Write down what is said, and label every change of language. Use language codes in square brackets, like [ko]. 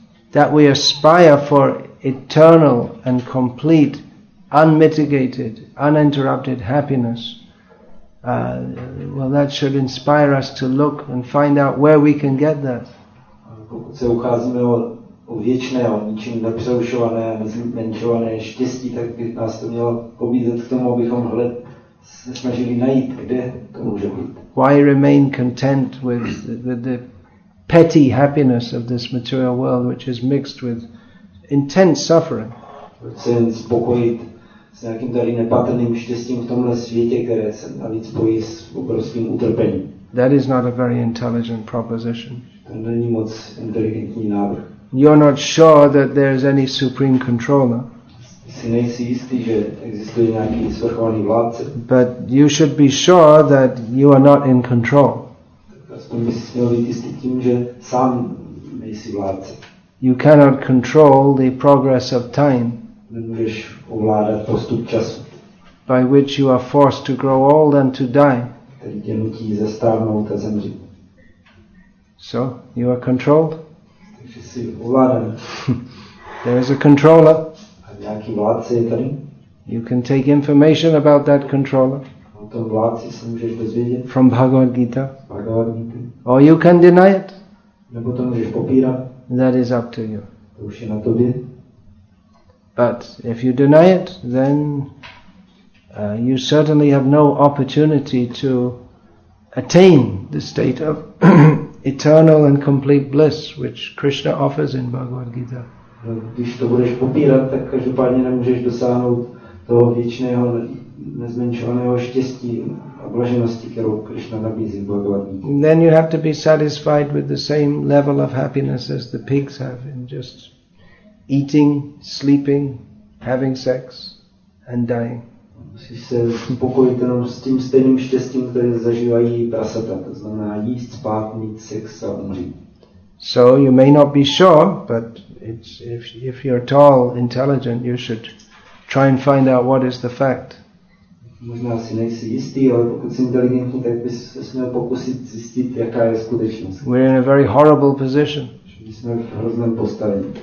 [en] That we aspire for eternal and complete, unmitigated, uninterrupted happiness, well, that should inspire us to look and find out where we can get that. [cs] Pokud se ucházíme o věčné, o ničím nepřerušované, nezmenšované štěstí, tak by nás to mělo pobízet k tomu, abychom se snažili najít, kde to může být. [en] Why remain content with the petty happiness of this material world, which is mixed with intense suffering? [cs] Proč se jen spokojit s nějakým tady nepatrným štěstím v tomhle světě, které se navíc spojí s obrovským utrpením? [en] That is not a very intelligent proposition. [cs] To není moc inteligentní návrh. [en] You're not sure that there is any supreme controller. [cs] Si nejsi jistý, že existuje nějaký svrchovaný vládce. [en] But you should be sure that you are not in control. [cs] Aspoň bys měl být jistý tím, že sám nejsi vládce. [en] You cannot control the progress of time. [cs] Nemůžeš ovládat postup času. [en] By which you are forced to grow old and to die. [cs] Který tě nutí zastárnout a zemřít. [en] So, you are controlled? [cs] Takže jsi ovládaný. [en] There is a controller. [cs] A nějaký vládce je tady? [en] You can take information about that controller. [cs] O tom vládci se můžeš dozvědět. [en] From Bhagavad Gita. [cs] Bhagavad Gita. [en] Or you can deny it. [cs] Nebo to můžeš popírat. [en] That is up to you. [cs] To už je na tobě. [en] But if you deny it, then you certainly have no opportunity to attain the state of eternal and complete bliss, which Krishna offers in Bhagavad Gita. [cs] Když to budeš popírat, tak každopádně nemůžeš dosáhnout toho věčného, nezmenšovaného štěstí a blaženosti, kterou Krishna nabízí v Bhagavad Gita. [en] Then you have to be satisfied with the same level of happiness as the pigs have in just eating, sleeping, having sex and dying. [cs] Musíš se spokojit jenom s tím stejným štěstím, které zažívají prasata. To znamená jíst, spát, mít sex a umřít. [en] So you may not be sure, but it's, if you're at all intelligent, you should try and find out what is the fact. [cs] Možná si nejsi jistý, ale pokud jsi inteligentní, tak bys se měl pokusit zjistit, jaká je skutečnost. [en] We're in a very horrible position. [cs] Že jsme v hrozném postavení.